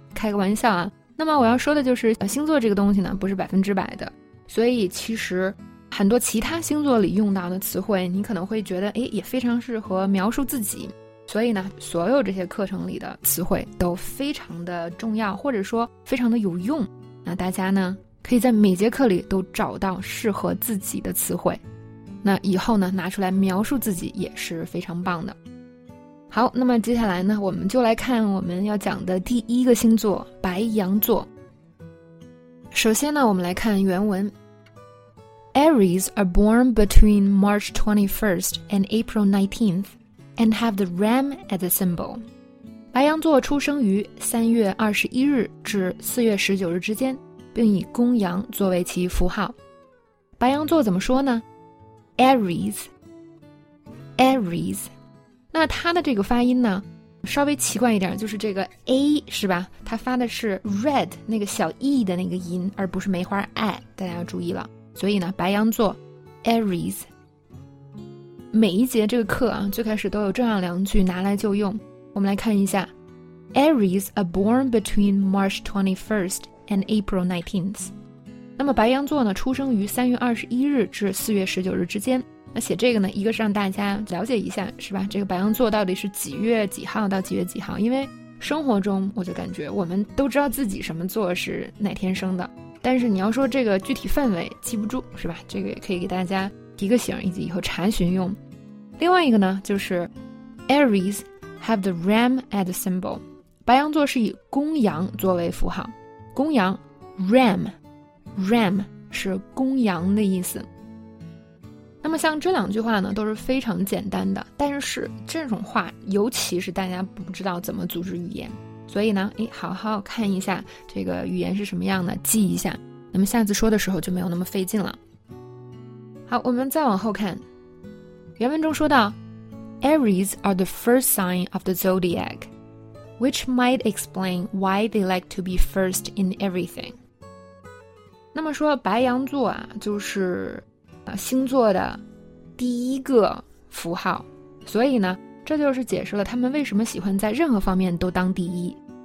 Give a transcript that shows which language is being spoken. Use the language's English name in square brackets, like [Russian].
[Chinese] 开个玩笑啊，那么我要说的就是星座这个东西呢不是百分之百的，所以其实很多其他星座里用到的词汇你可能会觉得也非常适合描述自己，所以呢所有这些课程里的词汇都非常的重要，或者说非常的有用，那大家呢可以在每节课里都找到适合自己的词汇，那以后呢拿出来描述自己也是非常棒的。好，那么接下来呢，我们就来看我们要讲的第一个星座，白羊座。首先呢，我们来看原文。 [English] Aries are born between March 21st and April 19th and have the ram as a symbol. [Chinese] 白羊座出生于3月21日至4月19日之间，并以公羊作为其符号。白羊座怎么说呢？Aries Aries，那它的这个发音呢稍微奇怪一点，就是这个 A 是吧，它发的是 red 那个小 e 的那个音，而不是梅花 i， 大家要注意了。所以呢白羊座 Aries， 每一节这个课啊最开始都有这样两句拿来就用，我们来看一下。 [English] Aries are born between March 21st and April 19th， [Chinese] 那么白羊座呢出生于3月21日至4月19日之间。那写这个呢，一个是让大家了解一下是吧，这个白羊座到底是几月几号到几月几号，因为生活中我就感觉我们都知道自己什么座是哪天生的，但是你要说这个具体范围记不住是吧，这个也可以给大家提个醒以及以后查询用。另外一个呢就是 [English] Aries have the ram as a symbol， [Chinese] 白羊座是以公羊作为符号，公羊 ram 是公羊的意思。那么像这两句话呢都是非常简单的，但是这种话尤其是大家不知道怎么组织语言，所以呢好好看一下这个语言是什么样的，记一下，那么下次说的时候就没有那么费劲了。好，我们再往后看，原文中说到 [English] Aries are the first sign of the zodiac which might explain why they like to be first in everything。 [Chinese] 那么说白羊座啊就是星座的第一个符号，所以呢这就是解释了他们为什么喜欢在任何方面都当第一。